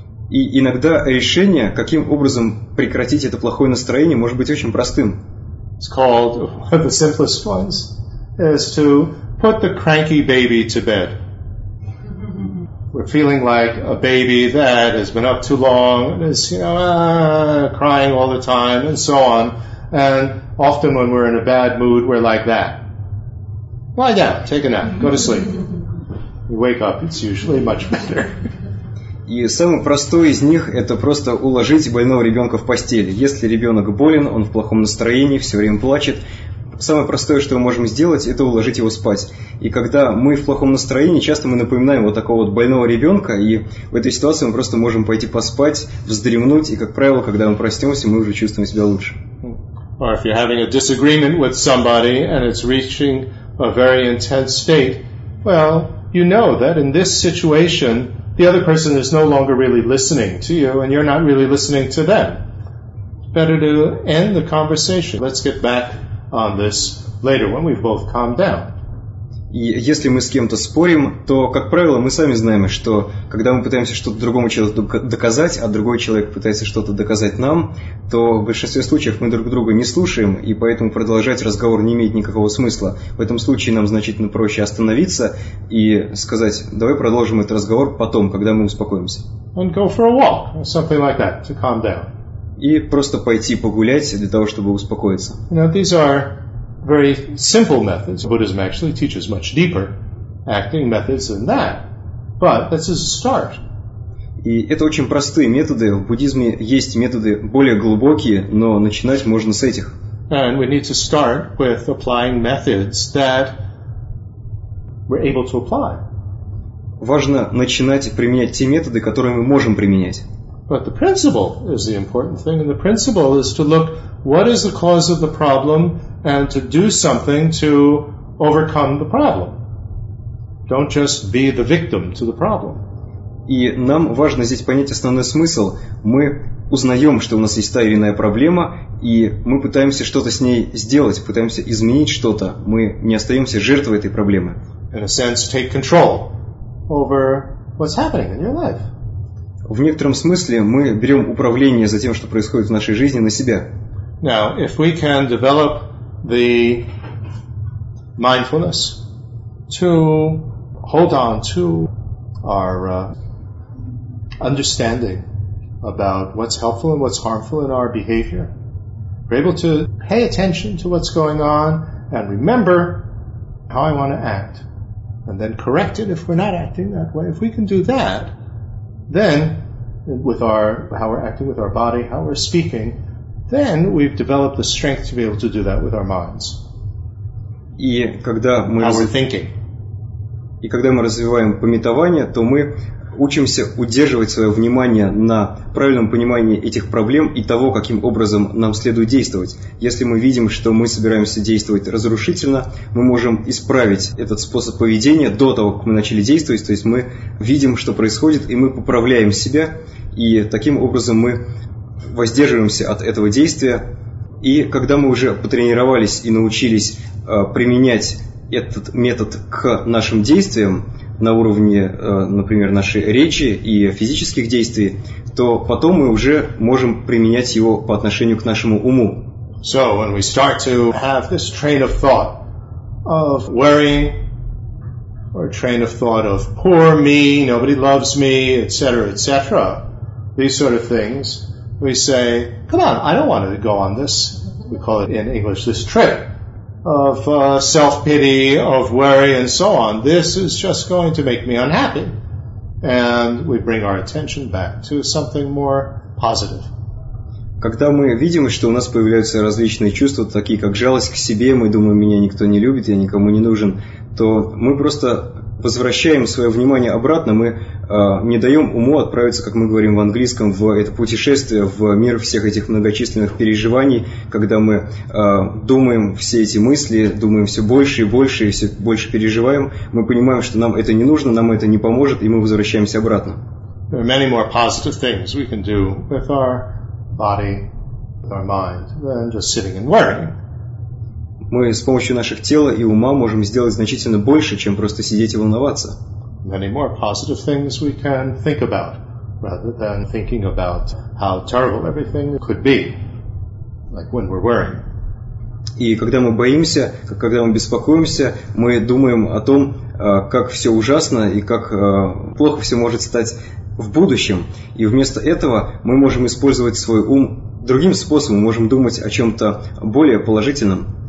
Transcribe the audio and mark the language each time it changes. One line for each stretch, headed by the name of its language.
Russian: И иногда решение, каким образом прекратить это плохое настроение, может быть очень простым.
English: It's called one of the simplest ones is to put the cranky baby to bed. We're feeling like a baby that has been up too long and is, you know, crying all the time and so on. And often when we're in a bad mood, we're like that. Lie down, take a nap, go to sleep. You wake up, it's usually much better.
Russian: И самый простой из них – это просто уложить больного ребенка в постель. Если ребенок болен, он в плохом настроении, все время плачет. Самое простое, что мы можем сделать, это уложить его спать. И когда мы в плохом настроении, часто мы напоминаем вот такого вот больного ребенка, и в этой ситуации мы просто можем пойти поспать, вздремнуть, и, как правило, когда мы проснемся, мы уже чувствуем себя лучше.
English: Or if you're having a disagreement with somebody and it's reaching a very intense state, well, you know that in this situation the other person is no longer really listening to you and you're not really listening to them. Better to end the conversation. Let's get back on this later when we've both calmed down.
Russian: И если мы с кем-то спорим, то, как правило, мы сами знаем, что когда мы пытаемся что-то другому человеку доказать, а другой человек пытается что-то доказать нам, то в большинстве случаев мы друг друга не слушаем, и поэтому продолжать разговор не имеет никакого смысла. В этом случае нам значительно проще остановиться и сказать: давай продолжим этот разговор потом, когда мы успокоимся.
English: And go for a walk or something like that to calm down.
Russian: И просто пойти погулять для того, чтобы успокоиться.
English: Now these are very simple methods. Buddhism actually teaches much deeper acting methods than that. But this is a start.
Russian: И это очень простые методы. В буддизме есть методы более глубокие, но начинать можно с этих.
English: And we need to start with applying methods that we're able to apply.
Russian: Важно начинать применять те методы, которые мы можем применять.
English: But the principle is the important thing. And the principle is to look what is the cause of the problem and to do something to overcome the problem. Don't just be the victim to the problem.
Russian: И нам важно здесь понять основной смысл. Мы узнаем, что у нас есть та или иная проблема, и мы пытаемся что-то с ней сделать, пытаемся изменить что-то. Мы не остаемся жертвой этой проблемы.
English: In a sense, take control over what's happening in your life.
Russian: В некотором смысле мы берем управление за тем, что происходит в нашей жизни, на себя.
English: Now, if we can develop the mindfulness to hold on to our understanding about what's helpful and what's harmful in our behavior, we're able to pay attention to what's going on and remember how I want to act and then correct it if we're not acting that way. If we can do that, then with our how we're acting with our body, how we're speaking, then we've developed the strength to be able to do that with our minds.
Russian: И когда мы
English: thinking.
Russian: И когда мы развиваем памятование, то мы учимся удерживать свое внимание на правильном понимании этих проблем и того, каким образом нам следует действовать. Если мы видим, что мы собираемся действовать разрушительно, мы можем исправить этот способ поведения до того, как мы начали действовать. То есть мы видим, что происходит, и мы поправляем себя, и таким образом мы воздерживаемся от этого действия. И когда мы уже потренировались и научились применять этот метод к нашим действиям на уровне, например, нашей речи и физических действий, то потом мы уже можем применять его по отношению к нашему уму.
English: So when we start to have this train of thought of worry, or a train of thought of poor me, nobody loves me, etc., etc., these sort of things, we say, come on, I don't want to go on this, we call it in English, this trip of self-pity, of worry, and so on. This is just going to make me unhappy. And we bring our attention back to something more positive.
Russian: Когда мы видим, что у нас появляются различные чувства, такие как жалость к себе, мы думаем, меня никто не любит, я никому не нужен, то мы просто возвращаем свое внимание обратно, мы не даем уму отправиться, как мы говорим в английском, в это путешествие, в мир всех этих многочисленных переживаний, когда мы думаем все эти мысли, думаем все больше и больше, и все больше переживаем, мы понимаем, что нам это не нужно, нам это не поможет, и мы возвращаемся обратно.
English: There are many more positive things we can do with our body, with our mind, than just sitting and worrying.
Russian: Мы с помощью наших тела и ума можем сделать значительно больше, чем просто сидеть и волноваться.
English: Many more positive things we can think about, rather than thinking about how terrible everything could be, like when we're worrying.
Russian: И когда мы боимся, когда мы беспокоимся, мы думаем о том, как все ужасно и как плохо все может стать в будущем. И вместо этого мы можем использовать свой ум другим способом, мы можем думать о чем-то более положительном.